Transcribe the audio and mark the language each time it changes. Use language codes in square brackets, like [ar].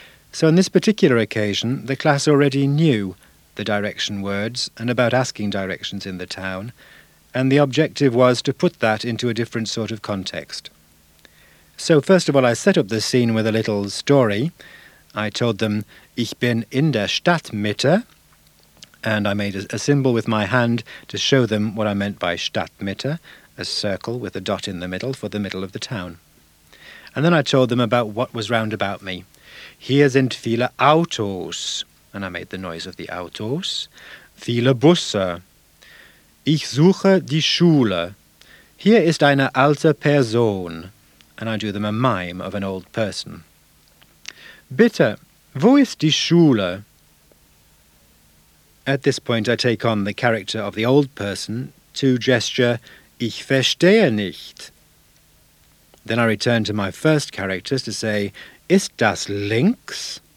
[en] So on this particular occasion, the class already knew the direction words and about asking directions in the town, and the objective was to put that into a different sort of context. So first of all, I set up the scene with a little story. I told them, [de] ich bin in der Stadtmitte, [en] and I made a symbol with my hand to show them what I meant by Stadtmitte, a circle with a dot in the middle for the middle of the town. And then I told them about what was round about me. [de] Hier sind viele Autos, [en] and I made the noise of the Autos, [de] viele Busse. Ich suche die Schule. Hier ist eine alte Person. [en] And I do them a mime of an old person. [de] Bitte, wo ist die Schule? [en] At this point I take on the character of the old person to gesture, [de] ich verstehe nicht. [en] Then I return to my first characters to say, [de] ist das links?